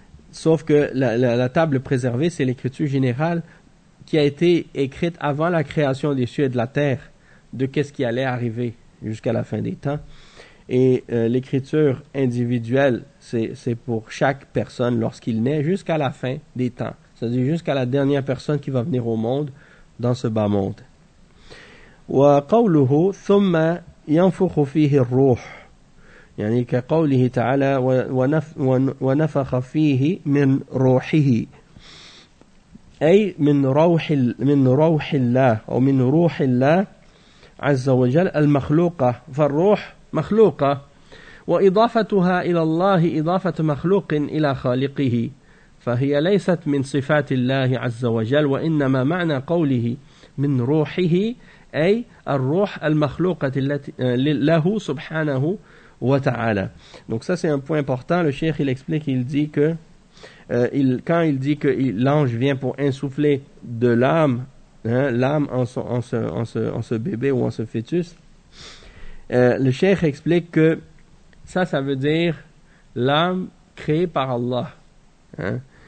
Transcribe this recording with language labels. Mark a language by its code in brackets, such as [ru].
[fr] Sauf que la table préservée, c'est l'écriture générale qui a été écrite avant la création des cieux et de la terre, de qu'est-ce qui allait arriver jusqu'à la fin des temps. Et l'écriture individuelle, c'est pour chaque personne lorsqu'il naît jusqu'à la fin des temps. C'est-à-dire jusqu'à la dernière personne qui va venir au monde dans ce bas monde. [ar] وقوله ثم ينفخ فيه الروح يعني كقوله تعالى ونفخ فيه من روحه أي من روح الله أو من روح الله عز وجل المخلوقة فالروح مخلوقة وإضافتها إلى الله إضافة مخلوق إلى خالقه فهي ليست من صفات الله عز وجل وإنما معنى قوله من روحه أي الروح المخلوقة له سبحانه وتعالى. [fr] Donc ça c'est un point important. Le cheikh il explique, il dit que quand il dit que l'ange vient pour insuffler de l'âme, hein, l'âme en ce bébé ou en ce fœtus, le cheikh explique que ça veut dire l'âme créée par Allah, hein.